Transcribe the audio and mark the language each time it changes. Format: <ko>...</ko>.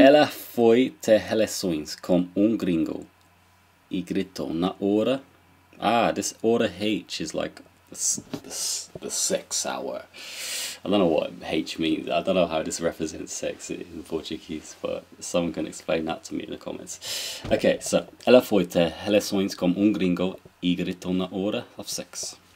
<pt>Ela foi ter relações com gringo e gritou na hora.</pt> <en>Ah, this order H is like the sex hour. I don't know what H means. I don't know how this represents sex in Portuguese, but someone can explain that to me in the comments. Okay, so</en> <pt>ela foi ter relações com gringo e gritou na hora</pt> <en>of sex.</en>